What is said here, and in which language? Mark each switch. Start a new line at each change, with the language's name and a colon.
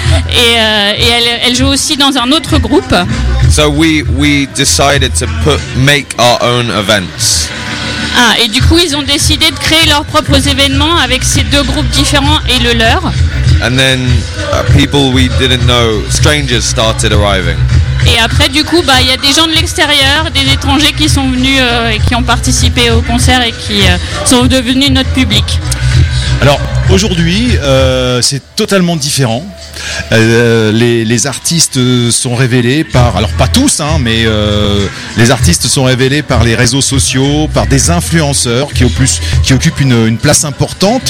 French: et elle joue aussi dans un autre groupe.
English: So we decided to make our own events.
French: Ah, et du coup, ils ont décidé de créer leurs propres événements avec ces deux groupes différents et le leur.
English: And then people we didn't know, strangers started arriving.
French: Et après, du coup, bah, y a des gens de l'extérieur, des étrangers qui sont venus et qui ont participé au concert et qui sont devenus notre public. Alors, aujourd'hui, c'est totalement différent. Les artistes sont révélés par, alors pas tous, hein, mais les artistes sont révélés par les réseaux sociaux, par des influenceurs qui occupent une place importante.